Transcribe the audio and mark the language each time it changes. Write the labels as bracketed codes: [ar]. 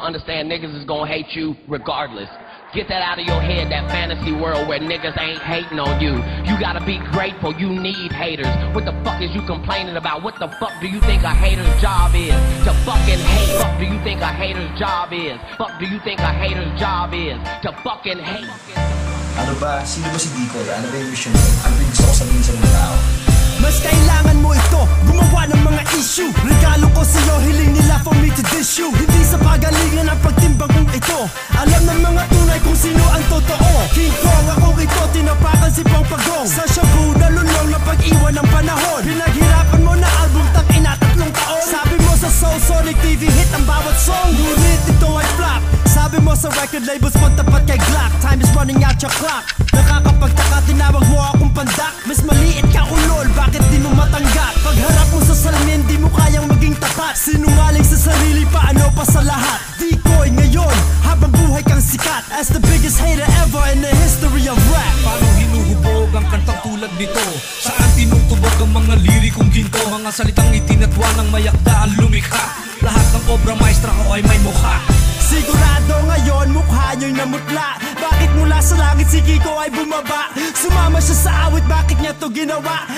[en] Understand niggas is gonna hate you regardless. Get that out of your head, that fantasy world where niggas ain't hating on you. You gotta be grateful, you need haters. What the fuck is you complaining about? What the fuck do you think a hater's job is? To fucking hate. What do you think a hater's job is? Fuck do you think a hater's job is? To fucking hate. [tl] Ano ba? Sino ba si Dicol? Ano ba yung mission mo? Ano ba yung gusto ko sabihin sa mga tao? Mas kailangan mo ito, gumawa ng mga issue. Regalo ko sa'yo, hiling nila [en] for me to diss you. [tl] Hindi sa pagalingan ang pagtimbang kong ito. Alam ng mga tunay kung sino ang totoo. King Kong ako ito, tinapakan si Pong Pagong. Sa Shabu, nalulong na pag-iwan ng panahon. Pinaghirapan mo na album, takina tatlong taon. Sabi mo sa Soul Sonic TV, hit ang bawat song. Ngunit ito ay flop. Sabi mo sa record labels, pagtapat kay Glock. [en] Time is running out your clock. [tl] Nakakapagtaka, tinawag mo akong pandak. Mas maliit ka ulol, bakit di mo matanggap? Pagharap mo sa salamin, di mo kayang maging tapat. Sinungaling sa sarili, paano pa sa lahat? Dicol ngayon, habang buhay kang sikat. [en] As the biggest hater ever in the history of rap. [tl] Paano hinuhubog ang kantang tulad nito? Saan tinutubog ang mga lirikong ginto? Mga salitang itinatwa ng mayakdaan lumikha. Lahat ng obra maestra ko ay may mukha. Sigurado ngayon mukha nyo'y namutla. Bakit mula sa langit si Kiko ay bumaba? Sumama siya sa awit, bakit niya to ginawa?